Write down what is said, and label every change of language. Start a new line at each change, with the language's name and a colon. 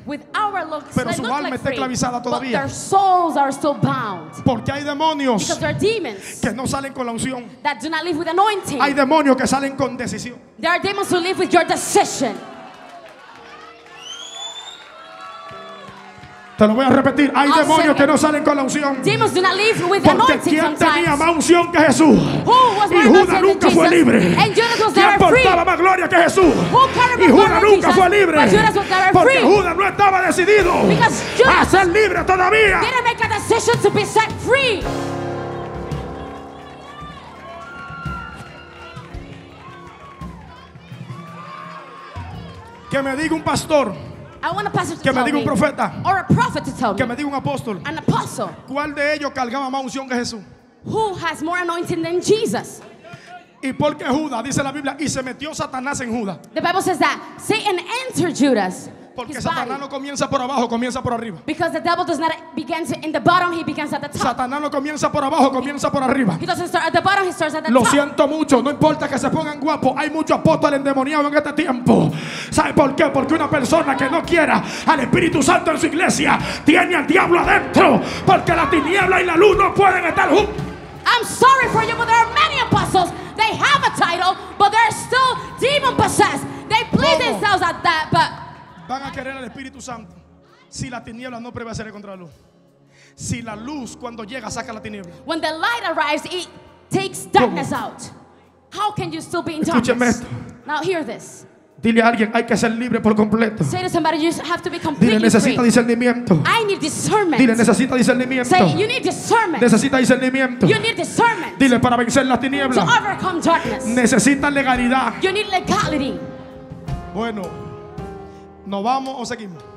English: with our looks,
Spanish: pero su alma está esclavizada todavía,
English: but their souls are still bound,
Spanish: porque hay demonios,
English: because there are demons
Spanish: que no salen con la unción,
English: that do not live with anointing.
Spanish: Hay demonios que salen con decisión.
English: There are demons who live with your decision.
Spanish: Te lo voy a repetir. Hay demonios que no salen con la unción.
English: Demons do not live with anointing.
Spanish: Porque quien tenía más unción que Jesús.
English: Who was more
Spanish: y Judas nunca fue libre. Quien portaba más gloria que Jesús. Y Judas nunca fue libre. Porque Judas no estaba decidido a ser libre todavía.
English: Didn't make a decision to be set free.
Spanish: Que me diga un pastor.
English: I want a pastor to
Spanish: que
English: tell
Spanish: me diga un profeta,
English: or a prophet to tell
Spanish: que me diga un apóstol,
English: an apostle,
Spanish: ¿cuál de ellos cargaba más unción que Jesús?
English: Who has more anointing than Jesus?
Spanish: Y porque Judas, dice la Biblia, y se metió Satanás en Judas.
English: The Bible says that Satan entered Judas.
Spanish: Porque Satanás no comienza por abajo, comienza por arriba.
English: Because the devil does not begin in the bottom, he begins at the top.
Spanish: Satanás no comienza por abajo, comienza por arriba.
English: He doesn't start at the bottom, he starts at the top.
Spanish: Lo siento mucho, no importa que se pongan guapos, hay muchos apóstoles endemoniados en este tiempo. ¿Sabe por qué? Porque una persona que no quiera al Espíritu Santo en su iglesia tiene al diablo adentro, porque la tiniebla y la luz no pueden estar juntos.
English: I'm sorry for you, but there are many apostles. They have a title, but they're still demon possessed. They please themselves at that, but
Spanish: van a querer al Espíritu Santo si la tiniebla no prevalece contra la luz. Si la luz cuando llega saca la tiniebla.
English: When the light arrives, it takes darkness out. How can you still be in darkness?
Spanish: Escúcheme esto.
English: Now hear this.
Spanish: Dile a alguien, hay que ser libre por completo.
English: Say to somebody, you have to be completely free.
Spanish: Dile, necesita discernimiento.
English: I need discernment.
Spanish: Dile, necesita discernimiento.
English: Say, you need discernment.
Spanish: Necesita discernimiento.
English: You need discernment.
Spanish: Dile, para vencer las tinieblas.
English: To overcome darkness.
Spanish: Necesita legalidad.
English: You need legality.
Spanish: Bueno. ¿Nos vamos o seguimos?